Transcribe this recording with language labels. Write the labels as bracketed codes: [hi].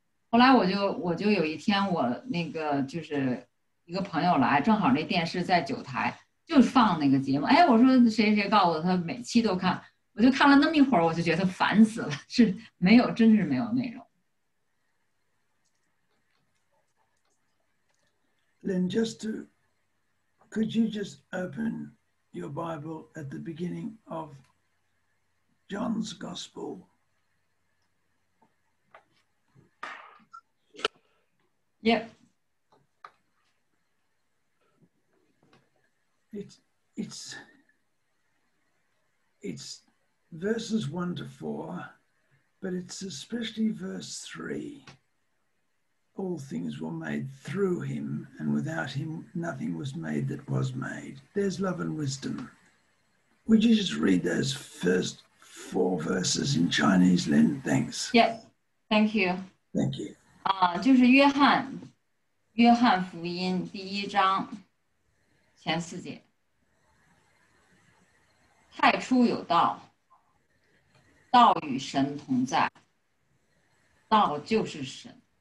[zh] 后来我就有一天，我那个就是一个朋友来，正好那电视在九台就放那个节目。哎，我说谁告诉我他每期都看，我就看了那么一会儿，我就觉得烦死了，是没有，真是没有内容。 [en] Lynn, could you just open your Bible at the beginning of John's Gospel. Yep. It's verses 1-4, but it's especially verse 3. All things were made through him, and without him, nothing was made that was made. There's love and wisdom. Would you just read those first four verses in Chinese, Lynn. Thanks. Yes, thank you. Thank you. [zh] 就是约翰福音第一章前四节。太初有道，道与神同在，道就是神。